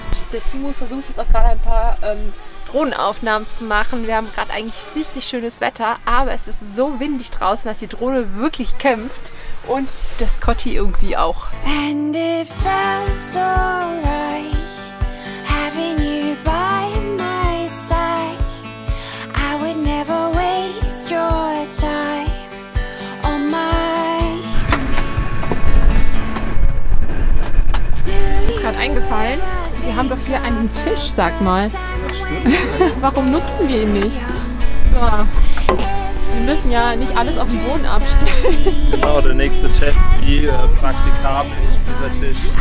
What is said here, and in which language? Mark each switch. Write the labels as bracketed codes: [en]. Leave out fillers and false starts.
[de] Der Timo versucht jetzt auch gerade ein paar Drohnenaufnahmen zu machen. Wir haben gerade eigentlich richtig schönes Wetter, aber es ist so windig draußen, dass die Drohne wirklich kämpft. Und das Kotti irgendwie auch. [en] And it felt so right, having you by my side. I would never waste your time on my. [de] Ist gerade eingefallen. Wir haben doch hier einen Tisch, sag mal. Das stimmt. Warum nutzen wir ihn nicht? So. Wir müssen ja nicht alles auf den Boden abstellen. Genau, der nächste Test, wie praktikabel ist dieser Tisch.